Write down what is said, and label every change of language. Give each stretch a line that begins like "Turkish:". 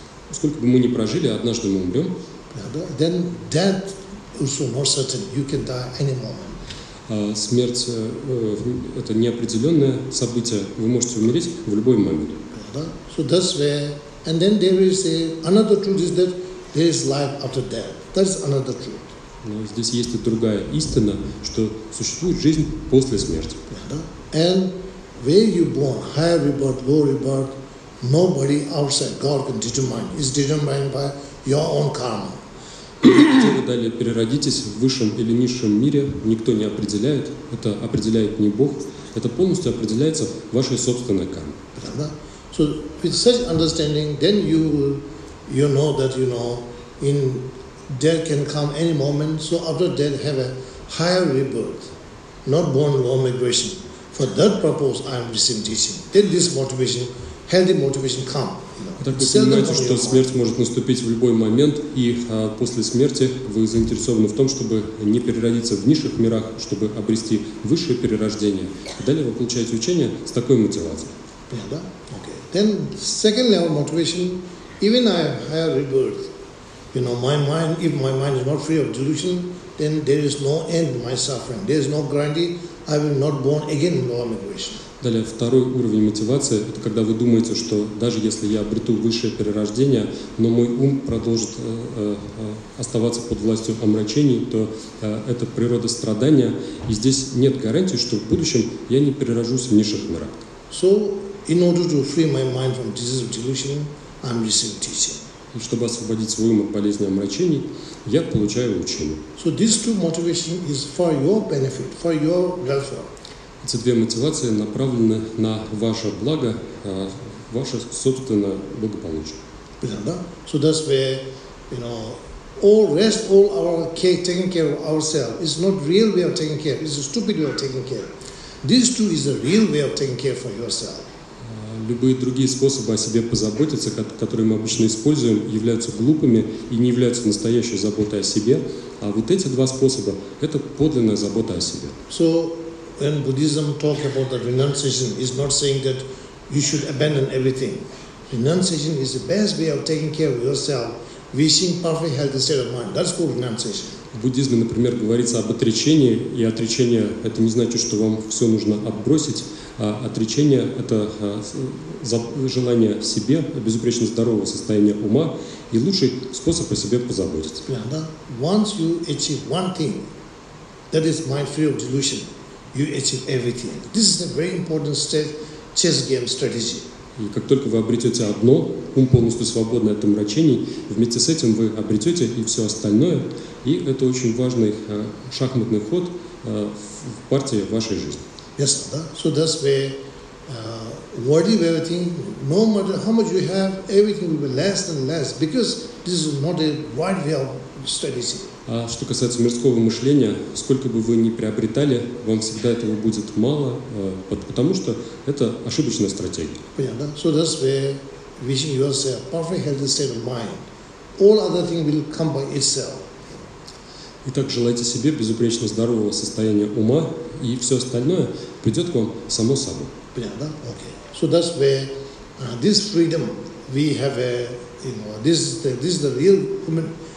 Russian: Сколько бы мы не прожили, однажды мы умрем.
English: Then death also not certain. You can die any moment.
Russian: Смерть это неопределенное событие. Вы можете умереть в любой момент.
English: So that's where, and then there is another truth is that there is life after death. That's another truth.
Russian: Но здесь есть и другая истина, что существует жизнь после смерти.
English: And where you born, higher rebirth, lower rebirth, nobody outside God can determine. It's determined by your own karma.
Russian: Где вы далее переродитесь, в высшем или низшем мире, никто не определяет, это определяет не Бог, это полностью определяется вашей собственной кармой.
English: So with such understanding, then you know that, you know, in death can come any moment, so after death have a higher rebirth, not born low migration. For that purpose I am receiving teaching. Then this motivation healthy motivation come.
Russian: Так вы понимаете, что смерть может наступить в любой момент, и после смерти вы заинтересованы в том, чтобы не переродиться в низших мирах, чтобы обрести высшее перерождение. Далее вы получаете учение с такой мотивацией.
English: Then second level motivation, even I have higher rebirth, you know, my mind, if my mind is not free of delusion, then there is no end to my suffering. There is no guarantee I will not born again in lower migration.
Russian: Далее, второй уровень мотивации – это когда вы думаете, что даже если я обрету высшее перерождение, но мой ум продолжит оставаться под властью омрачений, то это природа страдания, и здесь нет гарантии, что в будущем я не перерожусь в низших мирах.
English: So, in order to free my mind from disease of delusion, I'm receiving teaching.
Russian: И чтобы освободить свой ум от болезни омрачений, я получаю учение.
English: So, these two motivations is for your benefit, for your welfare.
Russian: Эти две мотивации направлены на ваше благо, ваше собственное благополучие. Да?
English: So that's where, you know, all rest, all our care, taking care of ourselves is not real way of taking care. It's a stupid way of taking care. These two is a real way of taking care for yourself.
Russian: Любые другие способы о себе позаботиться, которые мы обычно используем, являются глупыми и не являются настоящей заботой о себе. А вот эти два способа – это подлинная забота о себе.
English: So, when Buddhism talk about the renunciation, it's not saying that you should abandon everything. Renunciation is the best way of taking care of yourself, wishing perfect healthy state of mind. That's called renunciation.
Russian: В буддизме, например, говорится об отречении, и отречение – это не значит, что вам все нужно отбросить, а отречение – это желание в себе безупречно здорового состояния ума и лучший способ о себе позаботиться. Yeah, да?
English: Once you achieve one thing, that is mind free of delusion, you achieve everything. This is a very important step, chess game strategy.
Russian: И как только вы обретете одно, ум полностью свободный от омрачений, вместе с этим вы обретете и все остальное, и это очень важный шахматный ход в партии вашей жизни. Yes, да?
English: So that's where worthy of everything, no matter how much you have, everything will be less and less, because this is not a wide way of strategy.
Russian: А что касается мирского мышления, сколько бы вы ни приобретали, вам всегда этого будет мало, потому что это ошибочная стратегия. Понятно?
English: So that's where wishing yourself perfect healthy state of mind. All other things will come by itself.
Russian: Итак, желайте себе безупречно здорового состояния ума, и все остальное придет к вам само собой. Понятно? Okay.
English: So that's where this freedom we have this is the real human.